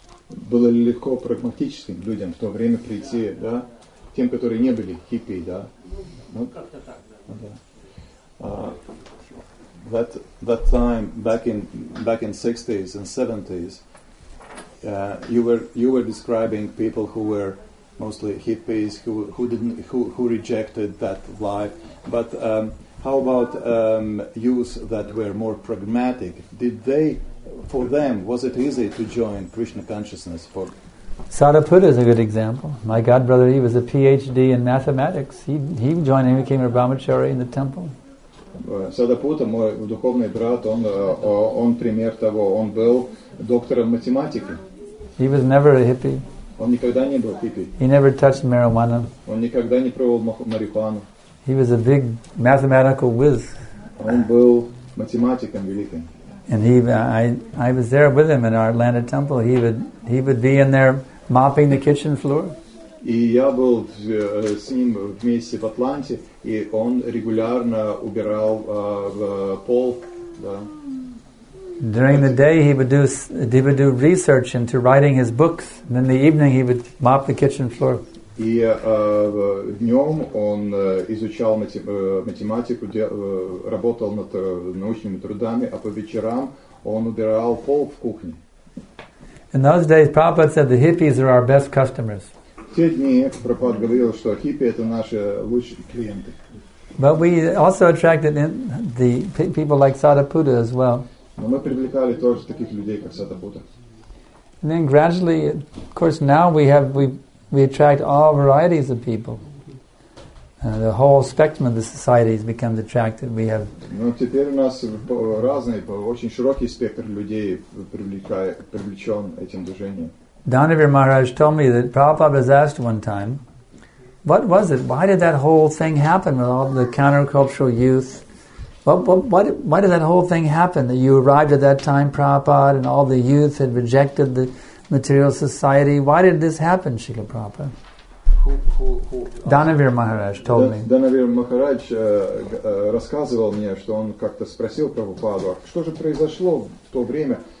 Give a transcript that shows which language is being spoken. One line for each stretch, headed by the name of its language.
Russian: Было ли легко прагматическим людям в то время прийти, да? Да? Тем, которые не были хиппи, да? Ну, как-то так, да.
English: That time, back in 60s and 70s, you were describing people who were mostly hippies, who rejected that life. But how about youths that were more pragmatic? Did they, for them, was it easy to join Krishna consciousness for? Sariputta is a good example. My godbrother, he was a PhD in mathematics. He joined and became a brahmachari in the temple.
Russian: Sariputta, мой духовный брат, он пример того, он был доктором математики.
English: He was never a hippie.
Russian: Он никогда не был хиппи.
English: He never touched marijuana.
Russian: Он никогда не пробовал марихуану.
English: He was a big mathematical whiz.
Russian: Он был математиком великим.
English: And I was there with him in our Atlanta temple. He would be in there mopping the kitchen floor.
Russian: И я был с ним вместе в Атланте, и он регулярно убирал пол. Да.
English: During the day, he would do research into writing his books. And in the evening, he would mop the kitchen floor.
Russian: И днем он изучал математику, работал над научными трудами, а по вечерам он убирал пол в кухне.
English: In those days, Prabhupada said the hippies are our best customers.
Russian: В те дни Прабхупада говорил, что хиппи это наши лучшие клиенты.
English: But we also attracted the people like Sariputta as well.
Russian: Но мы привлекали тоже таких людей, как Сарипутта.
English: And then gradually, of course, now we attract all varieties of people. The whole spectrum of the society has become attracted. We have.
Russian: Ну теперь у нас разные, очень широкий спектр людей привлечен этим движением.
English: Dhanavir Maharaj told me that Prabhupada was asked one time, "What was it? Why did that whole thing happen with all the countercultural youth? Why did that whole thing happen that you arrived at that time, Prabhupada, and all the youth had rejected the material society? Why did this happen, Srila Prabhupada?" Dhanavir Maharaj told me.
Russian: Dhanavir Maharaj рассказывал мне, что он как-то спросил Прабхупаду, а что же произошло в то время?